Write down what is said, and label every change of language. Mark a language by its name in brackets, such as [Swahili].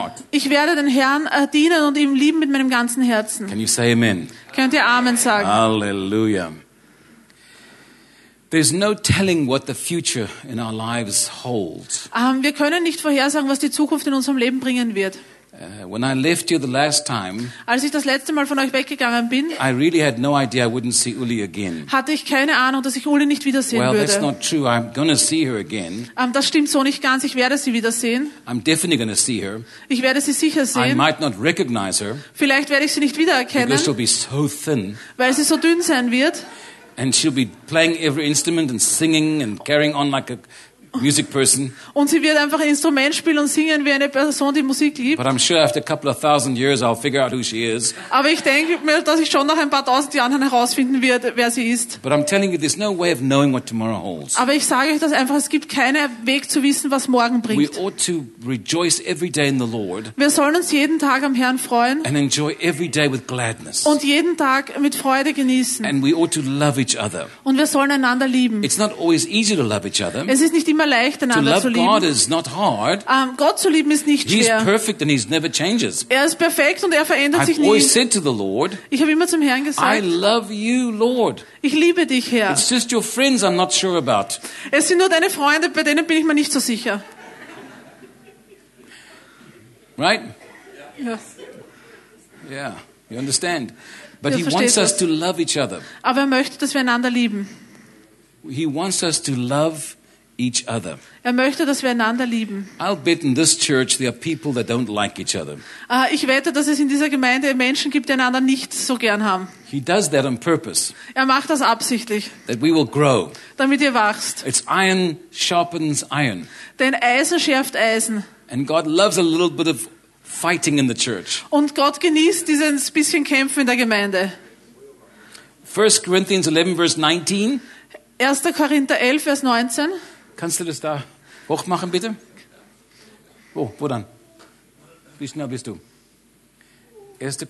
[German] Ich werde den Herrn dienen und ihm lieben mit meinem ganzen Herzen. [English] Can you say amen? [German] Könnt ihr Amen sagen? Halleluja. [English] There's no telling what the future in our lives holds. [German] Wir können nicht vorhersagen, was die Zukunft in unserem Leben bringen wird. [English] When I left you the last time, [German] als ich das letzte Mal von euch weggegangen bin, [English] I really had no idea I wouldn't see Uli again. [German] Hatte ich keine Ahnung, dass ich Uli nicht wiedersehen [English] well, [German] würde. [English] Well, that's not true. I'm gonna see her again. [German] Das stimmt so nicht ganz. Ich werde sie wiedersehen. [English] I'm definitely gonna see her. [German] Ich werde sie sicher sehen. [English] I might not recognize her. [German] Vielleicht werde ich sie nicht wiedererkennen. [English] Because she'll be so thin. [German] Weil sie so dünn sein wird. [English] And she'll be playing every instrument and singing and carrying on like a music person. [German] Und sie wird einfach ein Instrument spielen und singen wie eine Person, die Musik liebt. [English] But I'm sure after a couple of thousand years I'll figure out who she is. [German] Aber ich denke mir, dass ich schon nach ein paar tausend Jahren herausfinden werde, wer sie ist. [English] But I'm telling you, there's no way of knowing what tomorrow holds. [German] Aber ich sage euch das einfach, es gibt keinen Weg zu wissen, was morgen bringt. [English] We ought to rejoice every day in the Lord. [German] Wir sollen uns jeden Tag am Herrn freuen. [English] And enjoy every day with gladness. [German] Und jeden Tag mit Freude genießen. [English] And we ought to love each other. [German] Und wir sollen einander lieben. [English] It's not always easy to love each other. [German] Es ist nicht immer immer leicht, einander zu lieben. [English] God is not hard. [German] Gott zu lieben ist nicht [English] he's [German] schwer. [English] Perfect and he's never changes. [German] Er ist perfekt und er verändert [English] I've [German] sich [English] always [German] nie. [English] Said to the Lord, [German] ich habe immer zum Herrn gesagt, [English] I love you, Lord. [German] Ich liebe dich, Herr. [English] It's just your friends I'm not sure about. [German] Es sind nur deine Freunde, bei denen bin ich mir nicht so sicher. [English] Right? Yes. Yeah, you understand. But he wants us to love each other. [German] Aber er möchte, dass wir einander lieben. [English] He wants us to love each other. [German] Er möchte, dass wir einander lieben. [English] I'll bet in this church there are people that don't like each other. [German] Ich wette, dass es in dieser Gemeinde Menschen gibt, die einander nicht so gern haben. [English] He does that on purpose. [German] Er macht das absichtlich. [English] That we will grow. [German] Damit ihr wachst. [English] It's iron sharpens iron. [German] Denn Eisen schärft Eisen. [English] And God loves a little bit of fighting in the church. [German] Und Gott genießt dieses bisschen Kämpfen in der Gemeinde. [English] 1. Corinthians 11, verse 19. [German] 1. Korinther 11, Vers 19. Kannst du das da hoch machen, bitte? Oh, wo dann? Wie schnell bist du? 1.